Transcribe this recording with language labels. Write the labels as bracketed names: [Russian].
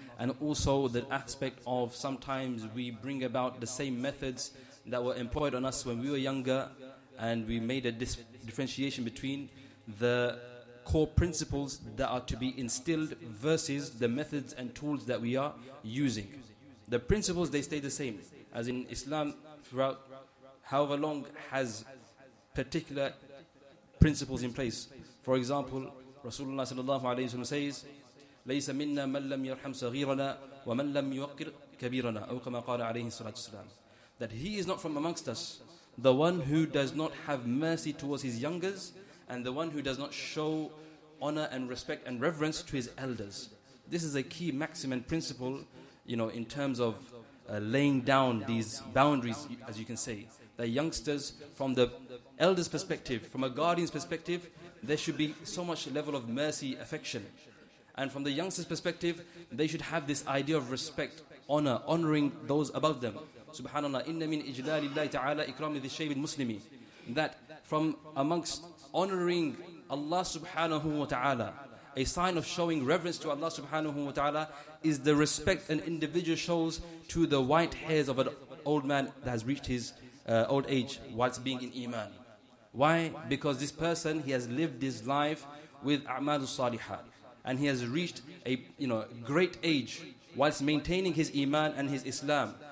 [English] And also the aspect of sometimes we bring about the same methods that were employed on us when we were younger, and we made a differentiation between the core principles that are to be instilled versus the methods and tools that we are using. The principles, they stay the same. As in Islam, throughout however long, has particular principles in place. For example, Rasulullah sallallahu alayhi wa sallam says, [Arabic] لَيْسَ مِنَّا مَنْ لَمْ يَرْحَمْ صَغِيرَنَا وَمَنْ لَمْ يُوَقِّرْ كَبِيرَنَا أَوْ كَمَا قَالَ عَلَيْهِ صَلَاتُ السَّلَامِ. [English] That he is not from amongst us, the one who does not have mercy towards his youngers, and the one who does not show honor and respect and reverence to his elders. This is a key maxim and principle, you know, in terms of laying down these boundaries, as you can say. That youngsters, from the elders' perspective, from a guardian's perspective, there should be so much level of mercy, affection. And from the youngsters' perspective, they should have this idea of respect, honor, honoring those above them. [Arabic] SubhanAllah, إِنَّ مِنْ إِجْلَالِ اللَّهِ تَعَالَى إِكْرَامِ ذِي الشَّيْبِ الْمُسْلِمِ. [English] That from amongst honoring Allah subhanahu wa ta'ala, a sign of showing reverence to Allah subhanahu wa ta'ala is the respect an individual shows to the white hairs of an old man that has reached his old age whilst being in Iman. Why? Because this person, he has lived his life with A'mal al-Saliha, and he has reached a great age whilst maintaining his Iman and his Islam.